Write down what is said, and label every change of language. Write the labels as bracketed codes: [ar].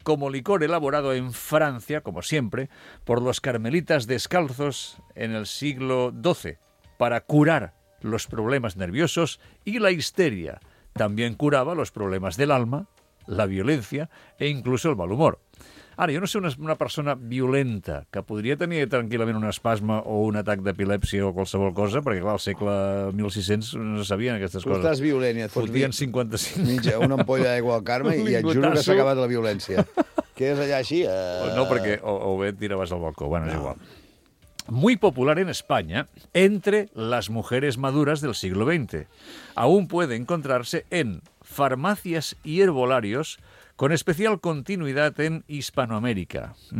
[es] Como licor elaborado en Francia, como siempre, por los carmelitas descalzos en el siglo XII para curar los problemas nerviosos y la histeria. También curaba los problemas del alma, la violencia e incluso el mal humor. [ca] Ara, jo no sé una persona violenta que podria tenir tranquil·lament un espasme o un atac d'epilèpsia o qualsevol cosa, perquè, clar, al segle 1600 no sabien aquestes coses. Tu estàs violent i et fotien 55. Mitja, una ampolla d'aigua al Carme i et juro que s'ha acabat la violència. Quedes allà així... No, perquè o bé et tiraves al balcó. Bueno, és igual. [es] Muy popular en España entre las mujeres maduras del siglo XX. Aún puede encontrarse en farmacias y herbolarios con especial continuidad en Hispanoamérica.